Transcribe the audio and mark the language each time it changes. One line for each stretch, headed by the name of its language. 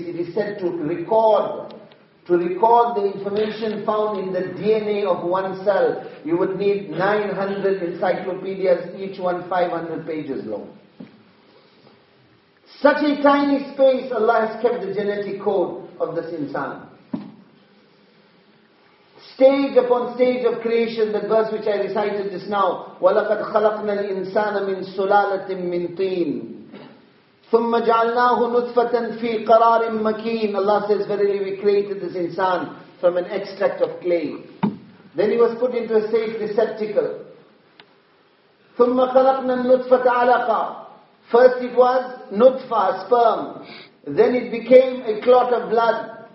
English: It is said to record the information found in the DNA of one cell, you would need 900 encyclopedias, each one 500 pages long. Such a tiny space, Allah has kept the genetic code of this insan. stage upon stage of creation, the verse which I recited just now,
Arabic: وَلَقَدْ خَلَقْنَا الْإِنسَانَ مِنْ سُلَالَةٍ مِنْ طِينٍ ثُمَّ جَعَلْنَاهُ نُطْفَةً فِي قَرَارٍ مَكِينٍ.
English: Allah says, verily we created this insan from an extract of clay. Then he was put into a safe receptacle.
Arabic: ثُمَّ خَلَقْنَا النُطْفَةَ عَلَقًا.
English: First it was nutfa, sperm. Then it became a clot of blood.